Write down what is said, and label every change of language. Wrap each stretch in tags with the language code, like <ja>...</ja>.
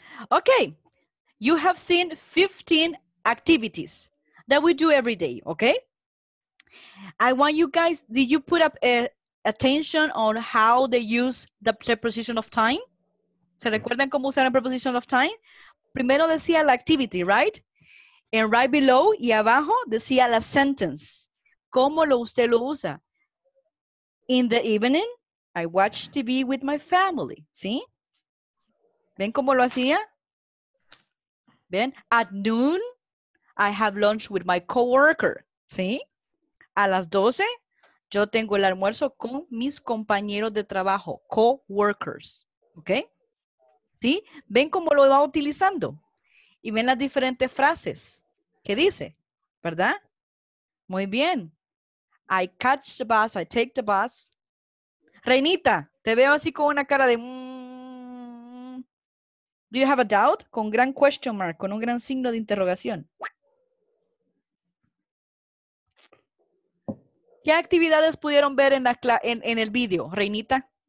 <en>Okay, you have seen 15 activities that we do every day. Okay, I want you guys, did you put up attention on how they use the preposition of time?</en> <es>¿Se recuerdan cómo usar la preposición</es> <en>of time?</en> <es>Primero decía la activity,</es> <en>right? And right below</en> <es>y abajo decía la sentence. ¿Cómo lo usted lo usa?</es> <en>In the evening, I watch TV with my family.</en> <es>¿Sí? ¿Ven cómo lo hacía? ¿Ven?</es> <en>At noon, I have lunch with my coworker.</en> <es>¿Sí? A las 12, yo tengo el almuerzo con mis compañeros de trabajo, co-workers. ¿Ok? ¿Sí? ¿Ven cómo lo va utilizando? Y ven las diferentes frases. ¿Qué dice? ¿Verdad? Muy bien.</es> <en>I catch the bus, I take the bus.</en> <es>Reinita, te veo así con una cara de...</es> <en>Do you have a doubt?</en> <es>Con gran question mark, con un gran signo de interrogación. ¿Qué actividades pudieron ver en, en el video, Reinita?</es>